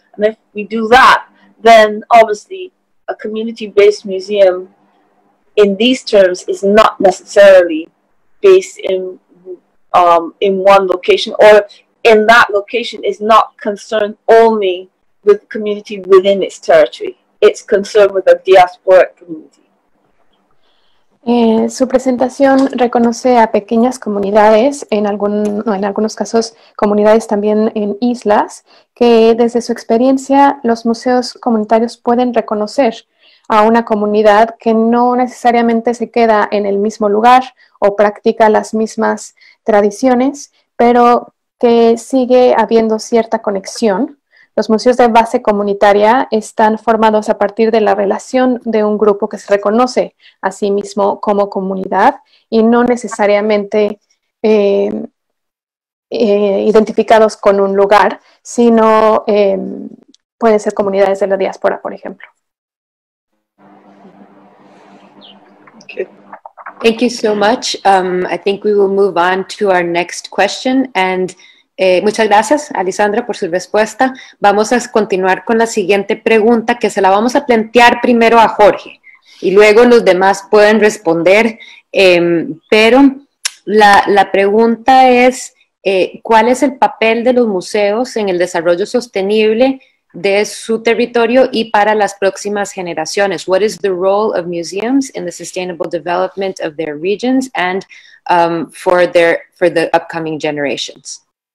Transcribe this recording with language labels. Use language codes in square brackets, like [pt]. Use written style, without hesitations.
[en] And if we do that, then obviously a community-based museum in these terms is not necessarily based in one location, or in that location is not concerned only with the community within its territory. It's concerned with the diaspora community. [es] Su presentación reconoce a pequeñas comunidades, en algunos casos comunidades también en islas, que desde su experiencia los museos comunitarios pueden reconocer a una comunidad que no necesariamente se queda en el mismo lugar o practica las mismas tradiciones, pero que sigue habiendo cierta conexión. Los museos de base comunitaria están formados a partir de la relación de un grupo que se reconoce a sí mismo como comunidad y no necesariamente identificados con un lugar, sino pueden ser comunidades de la diáspora, por ejemplo. [en] Thank you so much. I think we will move on to our next question. [es] And muchas gracias, Alessandra, por su respuesta. Vamos a continuar con la siguiente pregunta, que se la vamos a plantear primero a Jorge, y luego los demás pueden responder. Pero la pregunta es, ¿cuál es el papel de los museos en el desarrollo sostenible de su territorio y para las próximas generaciones. [en] What is the role of museums in the sustainable development of their regions and for the upcoming generations?